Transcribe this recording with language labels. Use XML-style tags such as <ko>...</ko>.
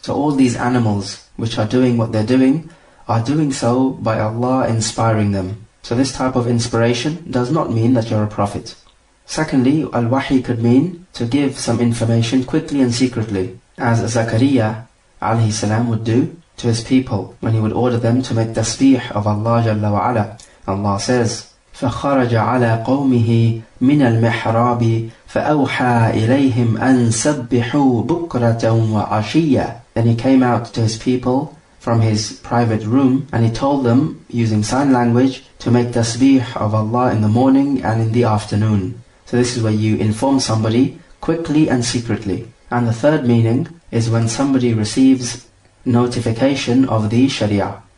<en>So all these animals which are doing what they're doing are doing so by Allah inspiring them. So this type of inspiration does not mean that you're a prophet. Secondly, al-wahi could mean to give some information quickly and secretly, as Zakariya alayhi salam would do to his people when he would order them to make tasbih of Allah Jalla wa Ala. Allah says,</en> <ar>فَخَرَجَ عَلَىٰ قَوْمِهِ مِنَ الْمِحْرَابِ فَأَوْحَىٰ إِلَيْهِمْ أَن سَبِّحُوا بُكْرَةً وَعَشِيَّ.</ar> <en>Then he came out to his people from his private room, and he told them, using sign language, to make tasbih of Allah in the morning and in the afternoon. So this is where you inform somebody quickly and secretly. And the third meaning is when somebody receives notification of the Sharia.</en>